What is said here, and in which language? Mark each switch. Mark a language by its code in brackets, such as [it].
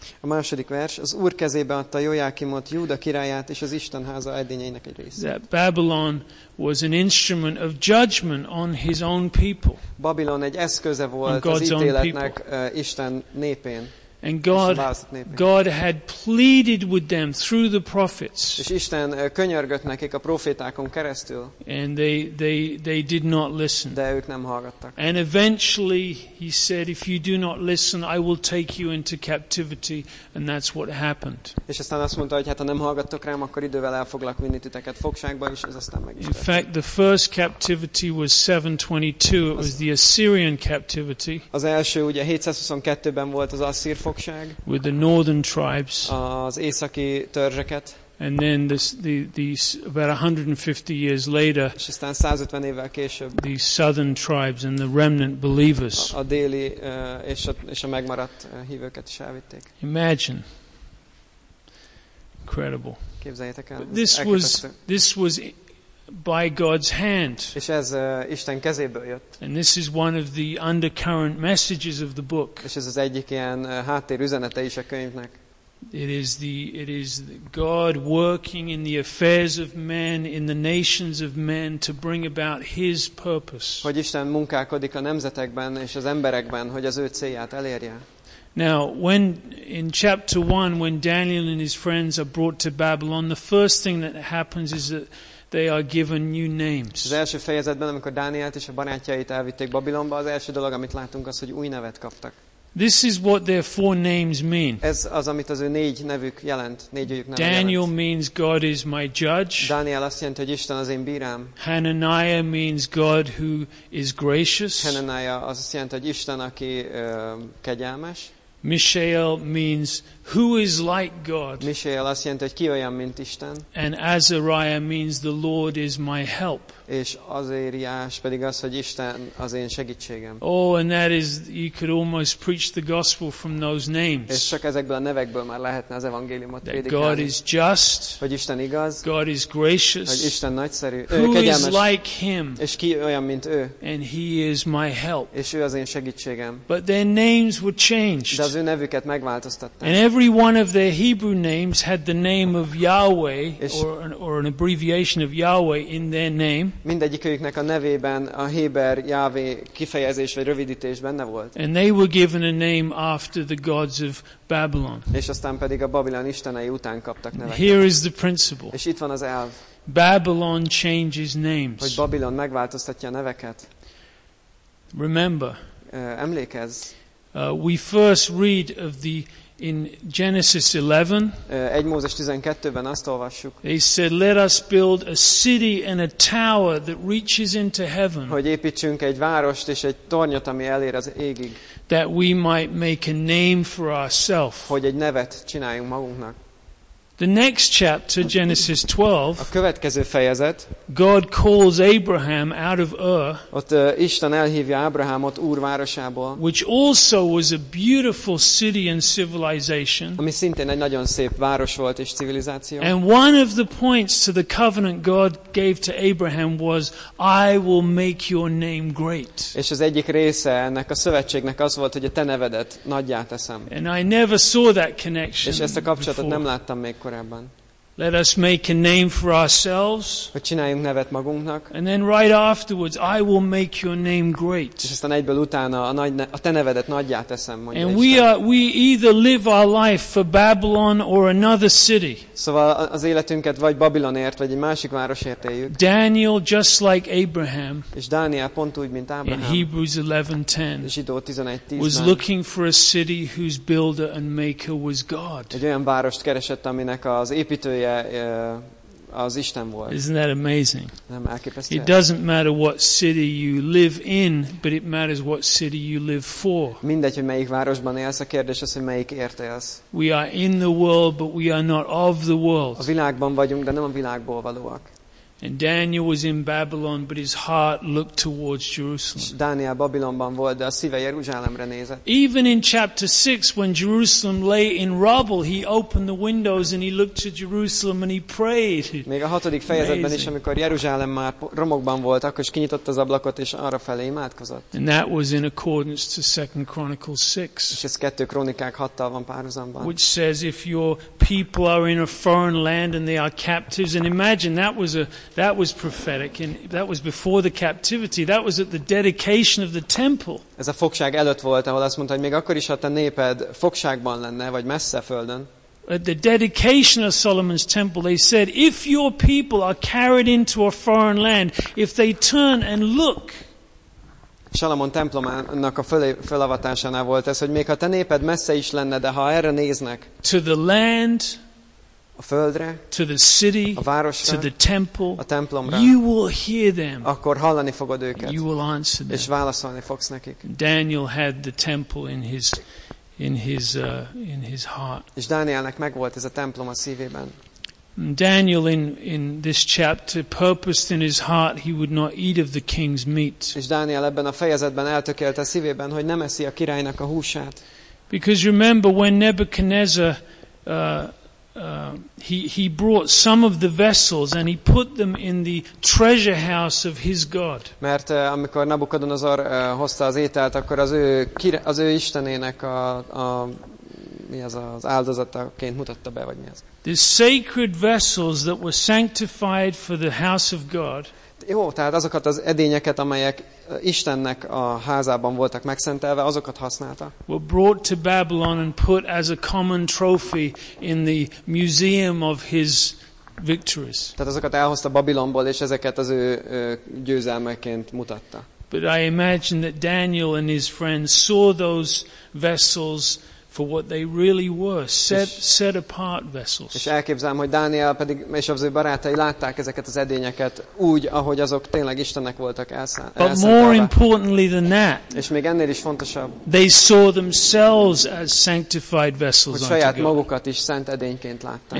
[hu] A második vers, az Úr kezébe adta Jehoiakimot, Júda királyát és az Isten háza edényeinek egy részét. [en] That Babylon was an instrument of judgment on his own people. [hu] Babylon egy eszköze volt az ítéletnek Isten népén. [en] And God had pleaded with them through the prophets. [hu] És Isten könyörgött nekik a prófétákon keresztül. [en] And they did not listen. [hu] De ők nem hallgattak. [en] And eventually he said, if you do not listen, I will take you into captivity, and that's what happened. [hu] És aztán azt mondta, hogy hát ha nem hallgattok rám, akkor idővel el foglak vinni titeket fogságba, és ez aztán meg is. [en] In fact, the first captivity was 722. It was the Assyrian captivity. [hu] Az első ugye 722-ben volt az asszír. [en] With the northern tribes, [hu] az északi törzseket, [en] and then about 150 years later, [hu] és aztán 150 évvel később, [en] the southern tribes and the remnant believers, [hu] a déli és a megmaradt hívőket is elvitték. [en] Imagine, incredible. [hu] Képzeljétek el, [en] this was by God's hand. [hu] És ez Isten kezéből jött. [en] And this is one of the undercurrent messages of the book. [hu] És ez az egyik ilyen háttér üzenete is a könyvnek. [en] It is the God working in the affairs of men, in the nations of men, to bring about His purpose. [hu] Hogy Isten munkálkodik a nemzetekben és az emberekben, hogy az ő célját elérje. [en] Now, when in chapter 1, when Daniel and his friends are brought to Babylon, the first thing that happens is that they are given new names. [hu] Az első fejezetben, amikor Dánielt és a barátjait elvitték Babilonba, az első dolog, amit látunk, az, hogy új nevet kaptak. [en] This is what their four names mean. [hu] Ez az, amit az ő négy nevük jelent, négyük neve. [en] Daniel means God is my judge. [hu] Dániel azt jelenti, hogy Isten az én bírám. [en] Hananiah means God who is gracious. [hu] Hananiah az azt jelenti, hogy Isten, aki kegyelmes. [en] Mishael means who is like God. [hu] Mishael azt jelenti, hogy ki olyan, mint Isten. [en] And Azariah means the Lord is my help. [hu] És Azériás pedig az, hogy Isten az én segítségem. [en] Oh, and that is, you could almost preach the gospel from those names. [hu] És csak ezekből a nevekből már lehetne az evangéliumot prédikálni. [en] That God is just. [hu] Hogy Isten igaz. [en] God is gracious. [hu] Hogy Isten nagyszerű. [en] Who is like Him? [hu] És ki olyan, mint ő? [en] And He is my help. [hu] És ő az én segítségem. [en] But their names were changed. [hu] De az ő nevüket megváltoztatták. [en] And every one of their Hebrew names had the name of Yahweh or an abbreviation of Yahweh in their name. [hu] Mindegyiküknek a nevében a héber Jahvé kifejezés vagy rövidítés benne volt. [en] And they were given a name after the gods of Babylon. [hu] És aztán pedig a Babilon istenei után kaptak neveket. [en] Here is the principle. [hu] És itt van az elv. [en] Babylon changes names. [hu] Hogy Babilon megváltoztatja a neveket. [en] Remember. [hu] Emlékezz. [en] We first read of the in Genesis 11. [hu] Egy Mózes 12-ben azt olvassuk. [en] He said, "Let us build a city and a tower that reaches into heaven." [hu] Hogy építsünk egy várost és egy tornyot, ami elér az égig. [en] That we might make a name for ourselves. [hu] Hogy egy nevet csináljunk magunknak. [en] The next chapter, Genesis 12. [hu] A következő fejezet. [en] God calls Abraham out of Ur. [hu] Ott Isten elhívja Ábrahámot Úr városából. [en] Which also was a beautiful city and civilization. [hu] Ami szintén egy nagyon szép város volt és civilizáció. [en] And one of the points to the covenant God gave to Abraham was, I will make your name great. [hu] És az egyik része ennek a szövetségnek az volt, hogy a te nevedet naggyá teszem. [en] And I never saw that connection. [hu] És ezt a kapcsolatot [en] before. [hu] Nem láttam még korábban. [en] Let us make a name for ourselves. [hu] Hogy csináljunk nevet magunknak. [en] And then right afterwards, I will make your name great. [hu] És aztán egyből utána a te nevedet naggyá teszem, mondja Isten. [en] And we either live our life for Babylon or another city. [hu] Szóval az életünket vagy Babilonért, vagy egy másik városért éljük. [en] Daniel just like Abraham. [hu] És Dániel pont úgy, mint Ábrahám. [en] In Hebrews 11:10. [hu] Zsidó 11:10. [en] Was looking for a city whose builder and maker was God. [hu] Egy olyan várost keresett, aminek az építő az Isten volt. [en] Isn't that amazing? [hu] Nem, elképesztő. [en] It doesn't matter what city you live in, but it matters what city you live for. [hu] Mindegy, hogy melyik városban élsz, a kérdés az, hogy melyikért élsz. [en] We are in the world, but we are not of the world. [hu] A világban vagyunk, de nem a világból valóak. [en] And Daniel was in Babylon, but his heart looked towards Jerusalem. [hu] Dániel Babilonban volt, de a szíve Jeruzsálemre nézett. [en] Even in chapter 6, when Jerusalem lay in rubble, he opened the windows and he looked to Jerusalem and he prayed. [hu] Még a hatodik fejezetben is, amikor Jeruzsálem már romokban volt, akkor is kinyitott az ablakot és arra felé imádkozott. [en] And that was in accordance to 2 Chronicles 6. [hu] És ez 2 Krónikák 6-tal van párhuzamban. [en] Which says if your people are in a foreign land and they are captives. And imagine that was prophetic, and that was before the captivity. That was at the dedication of the temple. [hu] Ez a fogság előtt volt, ahol azt mondta, hogy még akkor is, ha te néped fogságban lenne, vagy messze földön. [en] At the dedication of Solomon's temple, they said, if your people are carried into a foreign land, if they turn and look. [hu] Salamon templomának a felavatásánál volt ez, hogy még ha te néped messze is lenne, de ha erre néznek. [en] To the land, [hu] a földre, [en] to the city, [hu] a városra, [en] to the temple, [hu] a templomra, [en] you will hear them. [hu] Akkor hallani fogod őket. [en] You will answer them. [hu] És válaszolni fogsz nekik. [en] Daniel had the temple in his heart. [hu] És Dánielnek megvolt ez a templom a szívében. [en] Daniel in this chapter purposed in his heart he would not eat of the king's meat. [hu] És Dániel ebben a fejezetben eltökélte szívében, hogy nem eszi a királynak a húsát. [en] Because remember when Nebuchadnezzar he brought some of the vessels and he put them in the treasure house of his god. [hu] Mert amikor Nabukodonozor hozta az ételt, akkor az ő istenének az áldozataként mutatta be, vagy mi az. [en] The sacred vessels that were sanctified for the house of god. [hu] Jó, tehát azokat az edényeket, amelyek Istennek a házában voltak megszentelve, azokat használta. [en] Were brought to Babylon and put as a common trophy in the museum of his victories. [hu] Tehát azokat elhozta Babilonból, és ezeket az ő győzelmeként mutatta. [en] But I imagine that Daniel and his friends saw those vessels for what they really were, set apart vessels. [hu] És elképzelem, hogy Dániel pedig és az ő barátai látták ezeket az edényeket úgy, ahogy azok tényleg Istennek voltak elszentelve. [en] But more importantly than that, [hu] és még ennél is fontosabb, [en] they saw themselves as sanctified vessels. [hu] Hogy saját magukat is szent edényként látták.